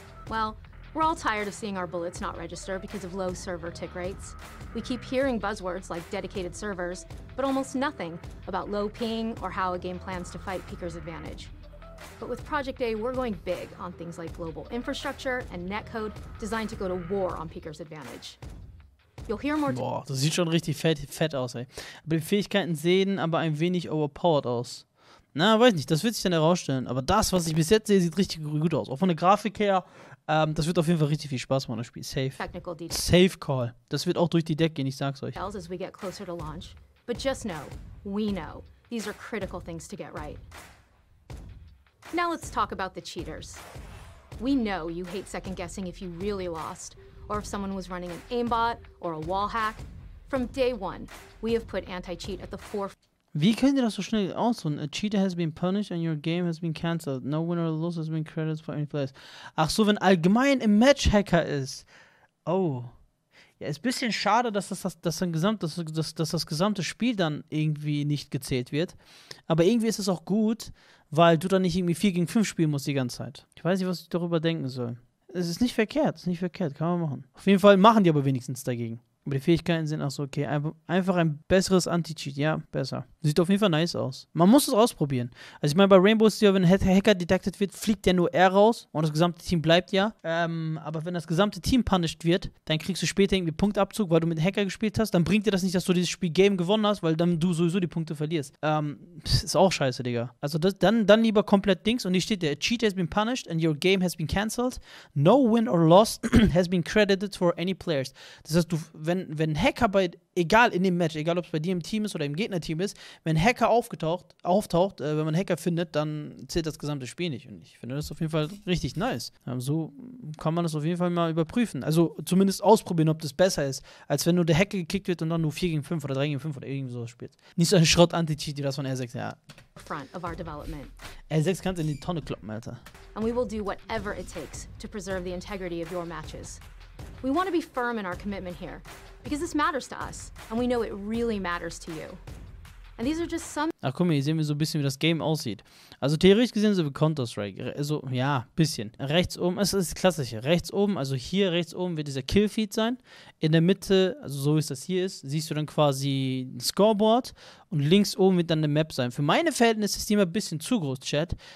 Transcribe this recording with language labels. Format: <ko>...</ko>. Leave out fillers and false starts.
<en>Well, we're all tired of seeing our bullets not register because of low server tick rates. We keep hearing buzzwords like dedicated servers, but almost nothing about low ping or how a game plans to fight Peeker's advantage. But with Project A, we're going big on things like global infrastructure and netcode designed to go to war on Peeker's advantage. You'll hear more.</en> <de>Boah, das sieht schon richtig fett aus, ey. Aber die Fähigkeiten sehen aber ein wenig overpowered aus. Na, weiß nicht, das wird sich dann herausstellen. Aber das, was ich bis jetzt sehe, sieht richtig gut aus. Auch von der Grafik her, das wird auf jeden Fall richtig viel Spaß machen, das Spiel. Safe. Safe Call. Das wird auch durch die Deck gehen, ich sag's euch.</de> <en>As we get closer to launch. But just know, we know, these are critical things to get right. Now let's talk about the cheaters. We know you hate second guessing if you really lost, or if someone was running an aimbot or a wall hack. From day one, we have put anti-cheat at the forefront.</en> <de>Wie könnt ihr das so schnell ausholen?</de> <en>A cheater has been punished and your game has been cancelled. No winner or loser has been credited for any place.</en> <de>Ach so, wenn allgemein ein Match-Hacker ist. Oh. Ja, ist ein bisschen schade, dass das gesamte Spiel dann irgendwie nicht gezählt wird. Aber irgendwie ist es auch gut, weil du dann nicht irgendwie 4 gegen 5 spielen musst die ganze Zeit. Ich weiß nicht, was ich darüber denken soll. Es ist nicht verkehrt, kann man machen. Auf jeden Fall machen die aber wenigstens dagegen. Aber die Fähigkeiten sind auch so okay. Einfach ein besseres Anti-Cheat. Ja, besser. Sieht auf jeden Fall nice aus. Man muss es ausprobieren. Also ich meine, bei Rainbow Six, wenn ein Hacker detected wird, fliegt der nur er raus und das gesamte Team bleibt ja. Aber wenn das gesamte Team punished wird, dann kriegst du später irgendwie Punktabzug, weil du mit einem Hacker gespielt hast. Dann bringt dir das nicht, dass du dieses Spiel Game gewonnen hast, weil dann du sowieso die Punkte verlierst. Ist auch scheiße, Digga. Also das, dann lieber komplett Dings und hier steht, der</de> <en>Cheat has been punished and your game has been cancelled. No win or loss has been credited for any players.</en> <de>Das heißt, du, wenn ein Hacker bei, egal in dem Match, egal ob es bei dir im Team ist oder im Gegnerteam ist, wenn ein Hacker auftaucht, wenn man einen Hacker findet, dann zählt das gesamte Spiel nicht. Und ich finde das auf jeden Fall richtig nice. So kann man das auf jeden Fall mal überprüfen. Also zumindest ausprobieren, ob das besser ist, als wenn nur der Hacker gekickt wird und dann nur 4 gegen 5 oder 3 gegen 5 oder irgendwie sowas spielt. Nicht so ein Schrott-Anti-Cheat wie das von R6, ja.</de> <en>Front of our development.</en> <de>R6 kann es in die Tonne kloppen, Alter.</de> <en>And we will do whatever it takes to preserve the integrity of your matches. We want to be firm in our commitment here, because this matters to us, and we know it really matters to you. And these are just some.</en> <de>Ach guck mal, hier sehen wir so ein bisschen, wie das Game aussieht. Also theoretisch gesehen so wie Counter-Strike. Also ja, ein bisschen. Rechts oben, es ist das Klassische. Rechts oben, also hier rechts oben wird dieser Killfeed sein. In der Mitte, also so wie es das hier ist, siehst du dann quasi ein Scoreboard. Und links oben wird dann eine Map sein. Für meine Verhältnisse ist die immer ein bisschen zu groß, Chat.</de>